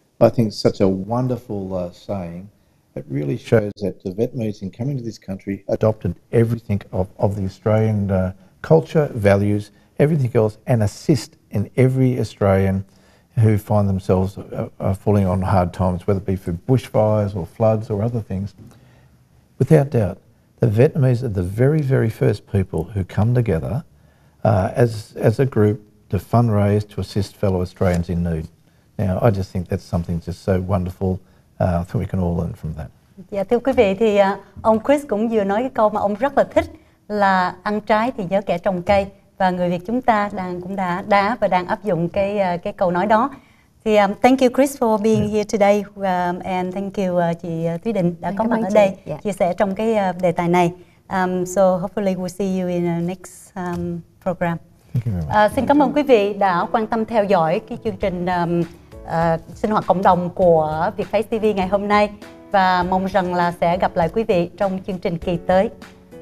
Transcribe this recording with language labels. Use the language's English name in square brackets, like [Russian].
[English] I think it's such a wonderful saying. It really shows that the Vietnamese, in coming to this country, adopted everything of the Australian culture, values, everything else, and assist in every Australian who find themselves falling on hard times, whether it be for bushfires or floods or other things. Without doubt, the Vietnamese are the very, very first people who come together as a group to fundraise to assist fellow Australians in need. Now, I just think that's something just so wonderful. I think we can all learn from that. [Vietnamese] Dạ, thưa quý vị, thì ông Chris cũng vừa nói cái câu mà ông rất là thích, là ăn trái thì nhớ kẻ trồng cây, và người Việt chúng ta đang áp dụng cái câu nói đó. Thì [English] thank you Chris for being here today, and thank you [Vietnamese] chị Thúy Định đã có mặt ở đây chia sẻ trong cái đề tài này. [English] So hopefully we'll see you in the next program. [Vietnamese] Xin cảm ơn quý vị đã quan tâm theo dõi cái chương trình sinh hoạt cộng đồng của Việt Face TV ngày hôm nay, và mong rằng là sẽ gặp lại quý vị trong chương trình kỳ tới.